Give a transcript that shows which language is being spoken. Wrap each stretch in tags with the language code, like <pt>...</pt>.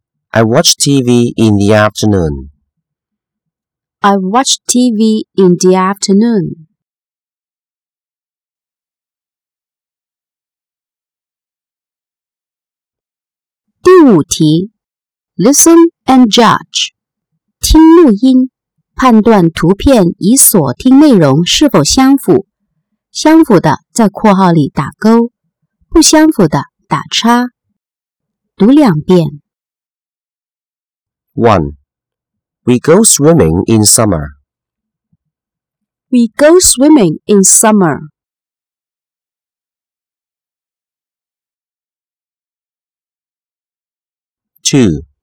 <en>I watch TV in the afternoon. I watch TV in the afternoon.</en> <zh>第五题</zh> <en>Listen and judge.</en> <zh>听录音，判断图片与所听内容是否相符。相符的在括号里打勾，不相符的打叉。读两遍。 1.</zh> <en>We go swimming in summer. We go swimming in summer. 2.</en>